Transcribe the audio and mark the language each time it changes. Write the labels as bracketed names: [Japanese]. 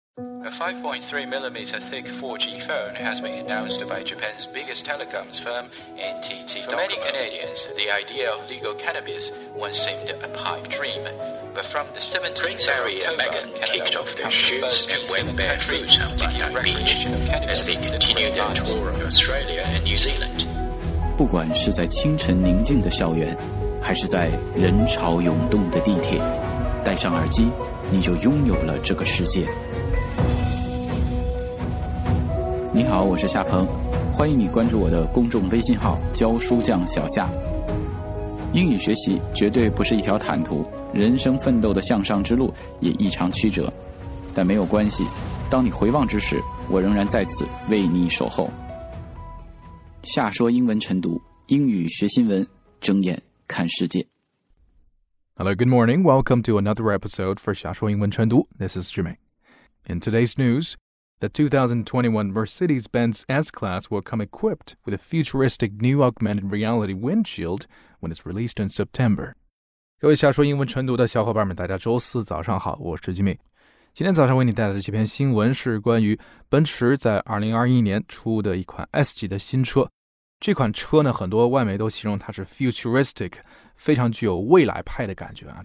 [English] A 5.3mm thick 4G phone has been announced by Japan's biggest telecoms firm, NTT Docomo. For many Canadians, the idea of legal cannabis once seemed a pipe dream. But from the 17th of October, Megan kicked off their shoes and went barefoot on Bondi Beach as they continued their tour of Australia and New Zealand. [Chinese] 不管是在清晨宁静的校园，还是在人潮涌动的地铁，戴上耳机，你就拥有了这个世界。你好，我是夏鹏，欢迎你关注我的公众微信号“教书匠小夏”。英语学习绝对不是一条坦途，人生奋斗的向上之路也异常曲折，但没有关系，当你回望之时，我仍然在此为你守候。夏说英文晨读，英语学新闻，睁眼看世界。 [English] Hello, good morning. Welcome to another episode for 夏说英文晨读. This is Jimmy. In today's news, the 2021 Mercedes-Benz S-Class will come equipped with a futuristic new augmented reality windshield when it's released in September. [Chinese] 各位夏说英文晨读的小伙伴们，大家周四早上好，我是 Jimmy。今天早上为你带来的这篇新闻是关于奔驰在2021年出的一款 S 级的新车。这款车呢，很多外媒都形容它是 futuristic， 非常具有未来派的感觉啊。